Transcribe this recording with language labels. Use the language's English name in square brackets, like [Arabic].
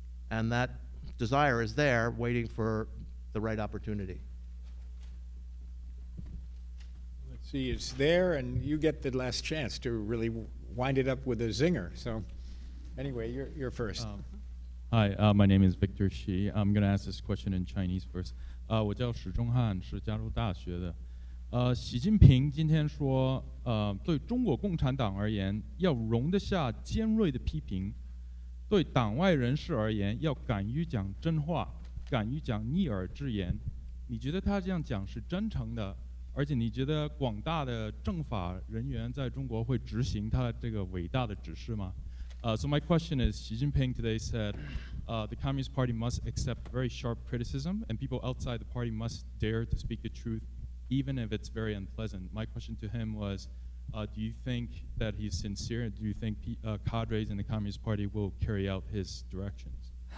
[English] And that desire is there waiting for the right opportunity. Let's see, it's there, and you get the last chance to really wind it up with a zinger. So anyway, you're first. Hi, my name is Victor Xi. I'm going to ask this question in Chinese first. [Chinese] 我叫史中汉，是加州大学的。习近平今天说，对中国共产党而言，要容得下尖锐的批评；对党外人士而言，要敢于讲真话，敢于讲逆耳之言。你觉得他这样讲是真诚的？而且你觉得广大的政法人员在中国会执行他这个伟大的指示吗？ [English] So my question is, Xi Jinping today said, the Communist Party must accept very sharp criticism, and people outside the party must dare to speak the truth, even if it's very unpleasant. My question to him was, do you think that he's sincere? Do you think cadres in the Communist Party will carry out his directions?